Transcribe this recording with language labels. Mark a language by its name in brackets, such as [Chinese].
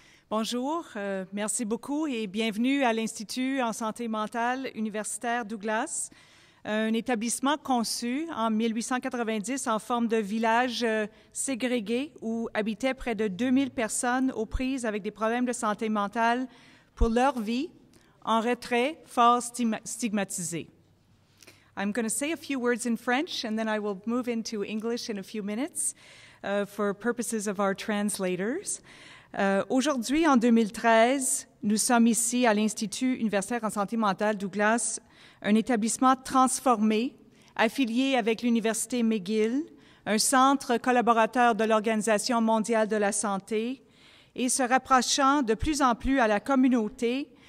[French] Bonjour, merci beaucoup et bienvenue à l'Institut en santé mentale universitaire Douglas, un établissement conçu en 1890 en forme de village ségrégué où habitaient près de 2000 personnes aux prises avec des problèmes de santé mentale pour leur vie, en retrait, fort stigmatisé. [English] I'm going to say a few words in French and then I will move into English in a few minutes. For purposes of our translators. [French] Aujourd'hui, en 2013, nous sommes ici à l'Institut universitaire en santé mentale Douglas, un établissement transformé, affilié avec l'Université McGill, un centre collaborateur de l'Organisation mondiale de la santé, et se rapprochant de plus en plus à la communauté.